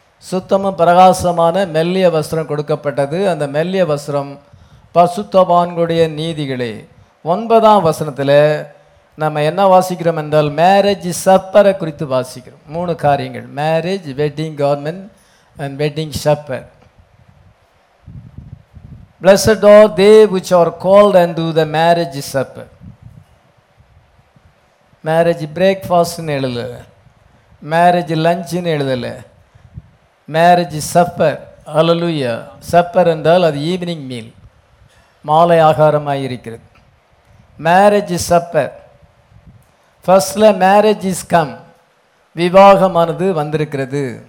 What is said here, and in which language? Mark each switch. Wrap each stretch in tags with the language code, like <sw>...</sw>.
<ta>சுத்தமும் பிரகாசமான மெல்லிய வஸ்திரம் கொடுக்கப்பட்டது. அந்த மெல்லிய வஸ்திரம் பரிசுத்தவான்களுடைய நீதிகளே. 9 வசனத்தில் நம்ம என்ன வாசிக்கிறோம் என்றால், மேரேஜ் சப்பரை குறித்து வாசிக்கிறோம். 3 காரியங்கள்,</ta> <en>Marriage, wedding garment and wedding supper. Blessed are they which are called and do the marriage supper. Marriage breakfast-</en> <ta>னு எழுதல,</ta> <en>marriage lunch-</en> <ta>னு எழுதல,</ta> <en>Marriage supper.</en> <ta>அல்லேலூயா. சப்பர் என்றால் அது</ta> <en>evening meal,</en> <ta>மாலை ஆகாரமாக இருக்கிறது.</ta> <en>marriage supper</en> <ta>ஃபர்ஸ்டில்</ta> <en>marriage is come,</en> <ta>விவாகமானது வந்திருக்கிறது.</ta>